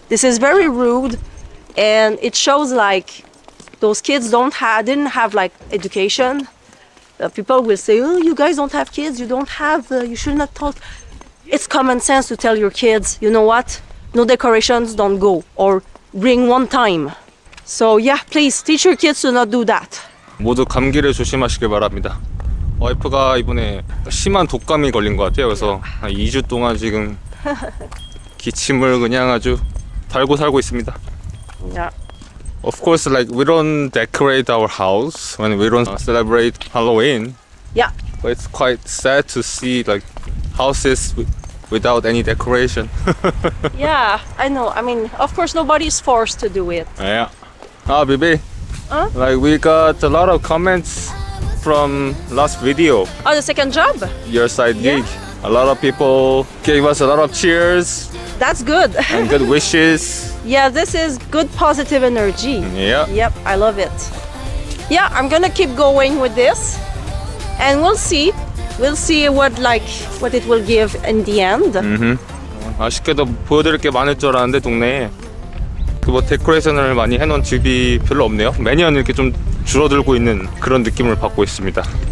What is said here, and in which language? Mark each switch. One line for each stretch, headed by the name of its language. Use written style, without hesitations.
English: This is very rude, and it shows like those kids didn't have like education. People will say, oh, you guys don't have kids, you don't have, you should not talk. It's common sense to tell your kids, you know what, no decorations, don't go, or ring one time. So yeah, please teach your kids to not do that.
Korean: 모두 감기를 조심하시길 바랍니다. 와이프가 이번에 심한 독감이 걸린 것 같아요. 그래서 한 2주 동안 지금 기침을 그냥 아주 달고 살고 있습니다.
English: Yeah. Of course, like we don't decorate our house when we don't celebrate Halloween. Yeah. But it's quite sad to see like houses without any decoration. Yeah, I know. I mean, of course, nobody's forced to do it. Yeah. Ah, baby. Huh? Like we got a lot of comments from last video. Oh, the second job? Your side gig. Yeah. A lot of people gave us a lot of cheers. That's good. And good wishes. Yeah, this is good positive energy. Yeah. Yep, I love it. Yeah, I'm gonna keep going with this. And we'll see. We'll see what it will give in the end. Mm-hmm.
Korean: 아쉽게도 보여드릴 게 많을 줄 알았는데 동네에 그 뭐 데코레이션을 많이 해놓은 집이 별로 없네요. 매년 이렇게 좀 줄어들고 있는 그런 느낌을 받고 있습니다.